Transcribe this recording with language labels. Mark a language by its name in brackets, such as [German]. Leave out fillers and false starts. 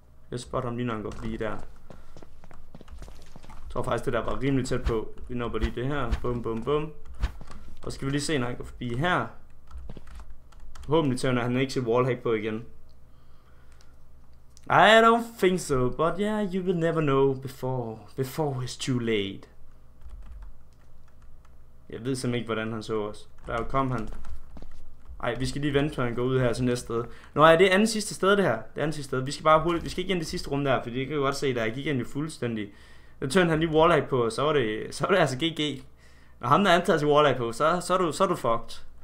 [Danish] Jeg spotter ham lige, når han går lige der. Jeg tror faktisk, det der var rimelig tæt på. Vi når bare lige det her. Bum, bum, bum. Og skal vi lige se, når han går forbi her. Håbentlig tænder han ikke sit wallhack på igen. [English] I don't think so, but yeah, you will never know before it's too late. [Danish] Jeg ved simpelthen ikke, hvordan han så os. Der kom han. Ej, vi skal lige vente, før han går ud her til næste sted. Nå, er det andet sidste sted, det her? Det andet sidste sted. Vi skal bare hurtigt. Vi skal ikke ind i det sidste rum der, for det kan jo godt se, der jeg gik ind jo fuldstændig. Jeg tørnede han lige wallhack på, og så var det altså GG. Når ham der antager sig wallhack på, så er du fucked.